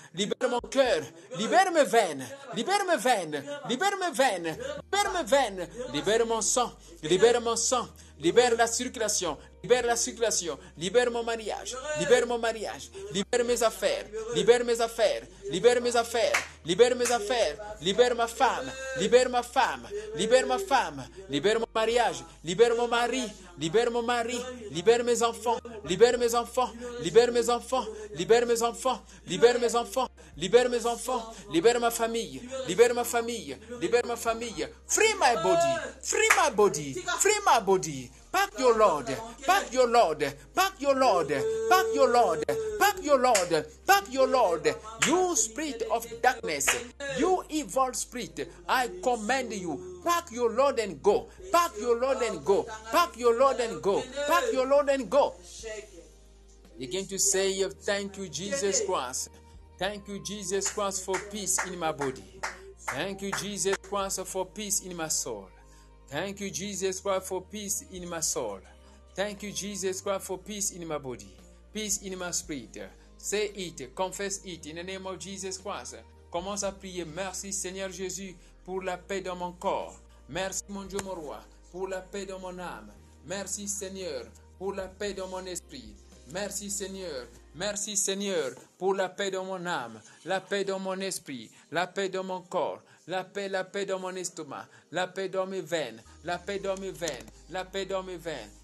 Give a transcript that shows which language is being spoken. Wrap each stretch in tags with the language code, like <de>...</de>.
<fr>Libère mon cœur, libère mes veines, libère mes veines, libère mes veines, libère mes veines, libère mon sang, libère mon sang, libère la circulation, libère la circulation, libère mon mariage, libère mon mariage, libère mes affaires, libère mes affaires, libère mes affaires, libère mes affaires, libère ma femme, libère ma femme, libère ma femme, libère mon mariage, libère mon mari, libère mon mari, libère mes enfants, libère mes enfants, libère mes enfants, libère mes enfants, libère mes enfants, libère mes enfants, libère ma famille, libère ma famille, libère ma famille,</fr> <en>free my body, free my body, free my body. Pack your Lord, pack your Lord, pack your Lord, pack your Lord, pack your Lord, pack your Lord. You spirit of darkness, you evil spirit, I command you, pack your Lord and go, pack your Lord and go, pack your Lord and go, pack your Lord and go. Begin to say, thank you, Jesus Christ. Thank you, Jesus Christ, for peace in my body. Thank you, Jesus Christ, for peace in my soul. Thank you, Jesus Christ, for peace in my soul. Thank you, Jesus Christ, for peace in my body. Peace in my spirit. Say it, confess it in the name of Jesus Christ.</en> <fr>commence à prier. Merci Seigneur Jésus pour la paix dans mon corps. Merci mon Dieu, mon roi, pour la paix dans mon âme. Merci Seigneur pour la paix dans mon esprit. Merci Seigneur pour la paix dans mon âme, la paix dans mon esprit, la paix dans mon corps, la paix dans mon estomac, la paix dans mes veines, la paix dans mes veines, la paix dans mes veines.</fr>